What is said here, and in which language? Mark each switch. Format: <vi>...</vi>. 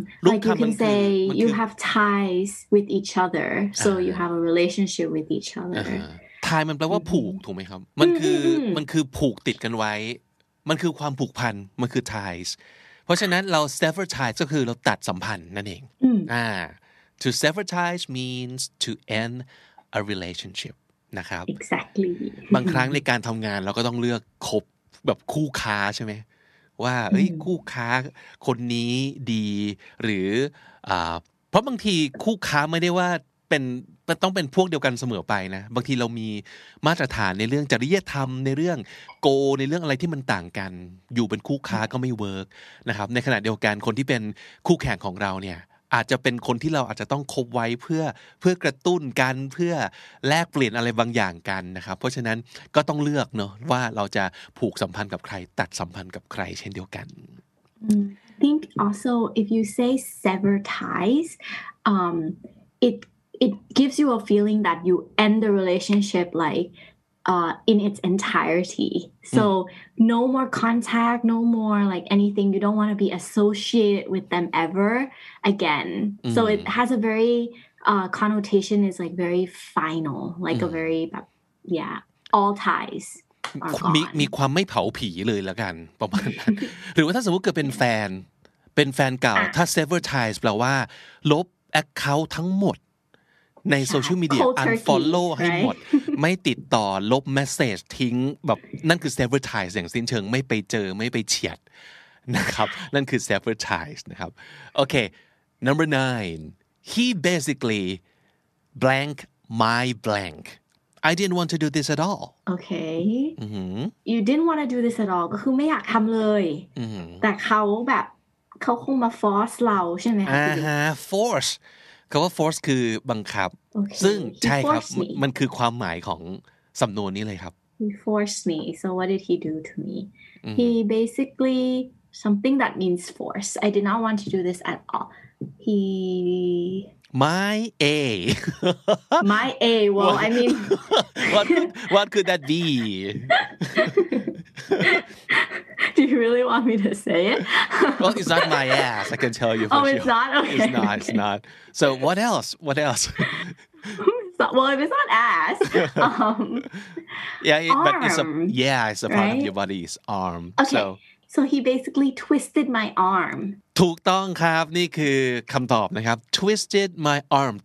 <en>Like you can say you have ties with each other, so you have a relationship with each other.</en> <th>Tie มันแปลว่าผูกถูกไหมครับมันคือผูกติดกันไว้มันคือความผูกพันมันคือ ties เพราะฉะนั้นเรา sever ties ก็คือเราตัดสัมพันธ์นั่นเอง</th> <en>to sever ties means to end a relationship นะครับ exactly</en> <th>บางครั้งในการทำงานเราก็ต้องเลือกคบแบบคู่ค้าใช่ไหมว่าเอ้ยคู่ค้าคนนี้ดีหรือเพราะบางทีคู่ค้าไม่ได้ว่าเป็นต้องเป็นพวกเดียวกันเสมอไปนะบางทีเรามีมาตรฐานในเรื่องจริยธรรมในเรื่องโกในเรื่องอะไรที่มันต่างกันอยู่เป็นคู่ค้าก็ไม่เวิร์กนะครับในขณะเดียวกันคนที่เป็นคู่แข่งของเราเนี่ยอาจจะเป็นคนที่เราอาจจะต้องคบไว้เพื่อกระตุ้นกันเพื่อแลกเปลี่ยนอะไรบางอย่างกันนะครับเพราะฉะนั้นก็ต้องเลือกเนาะว่าเราจะผูกสัมพันธ์กับใครตัดสัมพันธ์กับใครเช่นเดียวกัน</th> <en>think also if you say sever ties it gives you a feeling that you end the relationship like in its entirety so no more contact no more like anything you don't want to be associated with them ever again so it has a very connotation is like very final like a very yeah all ties are gone</en> <th>มีความไม่เผาผีเลยละกันประมาณนั้นหรือว่าถ้าสมมุติเกิดเป็นแฟนเก่าถ้า sever ties แปลว่าลบ account ทั้งหมดในโซเชียลมีเดียอันฟอลโล่ให้หมด ไม่ติดต่อลบเมสเสจทิ้งแบบนั่นคือ sever ties อย่างสิ้นเชิงไม่ไปเจอไม่ไปเฉียดนะครับนั่นคือ sever ties นะครับโอเค</th> <en>number 9 he basically blank my blank I didn't want to do this at all okay you didn't want to do this at all</en> <th>ก็คือไม่อยากทำเลยแต่เขาคงมา force เราใช่ ไหม ฮะ forceคำว่า force คือบังคับ</th> <en>okay.</en> <th>ซึ่งใช่ครับ มันคือความหมายของสำนวนนี้เลยครับ</th> <en>He forced me so what did he do to me He basically something that means force I did not want to do this at all He my a my a well I mean what could that be Do you really want me to say it? Well, it's not my ass. I can tell you for oh, sure. Oh, it's not? Okay. It's not. It's not. So what else? What else? Well, if it's not ass. yeah, arm, but it's a part right? of your body's arm. Okay. So he basically twisted my arm.</en> <th>ถูกต้องครับนี่คือคำตอบนะครับ</th> <en>Twisted my arm.</en>